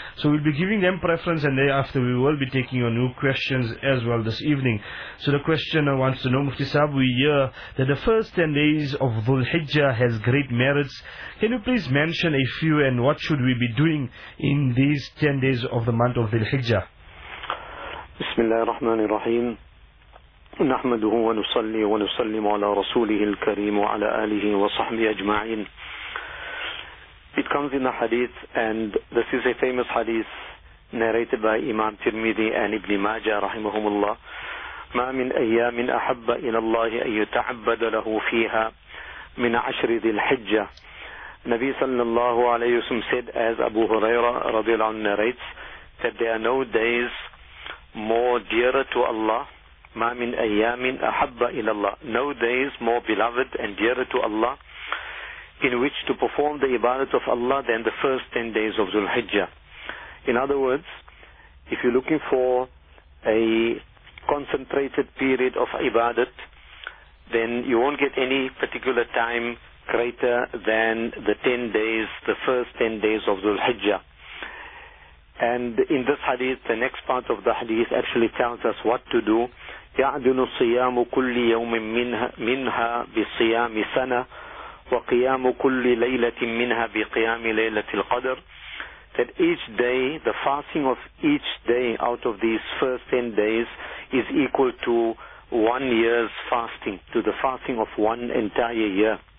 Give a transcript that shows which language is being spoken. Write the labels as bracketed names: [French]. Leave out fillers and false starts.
[English] So we'll be giving them preference and thereafter we will be taking your new questions as well this evening. So the questioner wants to know, Mufti Sahib, we hear that the first 10 days of Dhul-Hijjah has great merits. Can you please mention a few and what should we be doing in these 10 days of the month of Dhul-Hijjah? [Arabic] Bismillah ar-Rahman ar-Rahim. نحمده ونصلي ونسلم على رسوله الكريم وعلى آله وصحبه أجمعين. [English] It comes in a hadith, and this is a famous hadith narrated by Imam Tirmidhi and Ibn Majah rahimahumullah. [Arabic] ما من أيام أحب إلى الله أن يتعبد له فيها من عشر ذي الحجة. نبي صلى الله عليه وسلم [English] said, as Abu Huraira [Arabic] رضي الله عنه [English] narrates, that there are no days more dearer to Allah. [Arabic] مَا مِنْ أَيَّامٍ أَحَبَّ إِلَى اللَّهِ. [English] No days more beloved and dearer to Allah in which to perform the ibadat of Allah than the first 10 days of Dhul-Hijjah. In other words, if you're looking for a concentrated period of ibadat, then you won't get any particular time greater than the 10 days, the first 10 days of Dhul-Hijjah. And in this hadith, the next part of the hadith actually tells us what to do. [Arabic] يعدن صيام كل يوم منها بصيام سنة وقيام كل ليلة منها بقيام ليلة القدر. [English] That each day, the fasting of each day out of these first 10 days is equal to 1 year's fasting, to the fasting of one entire year.